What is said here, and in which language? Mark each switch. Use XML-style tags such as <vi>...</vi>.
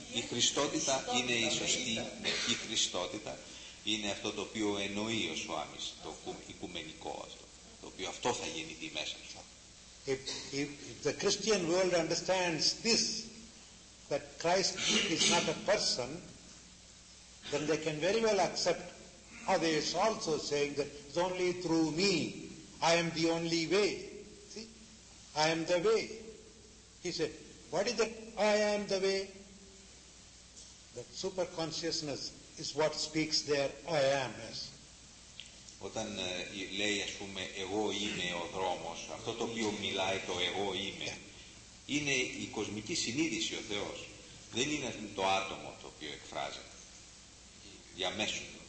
<el>Η Χριστότητα είναι η σωστή, η Χριστότητα είναι αυτό το οποίο εννοεί ο Σουάμις, το οικουμενικό αυτό, το οποίο αυτό θα γεννηθεί μέσα σου.</el> <en>If the Christian world understands this, that Christ is not a person, then they can very well accept how they are also saying that it's only through me, I am the only way. I am the way. He said, what is that? I am the way. That super consciousness is what speaks there, I am. Yes.</en> <el>Όταν λέει, ας πούμε, εγώ είμαι ο δρόμος, αυτό το οποίο μιλάει το εγώ είμαι, είναι η κοσμική συνείδηση ο Θεός. Δεν είναι το άτομο το οποίο εκφράζεται. Διαμέσου.</el>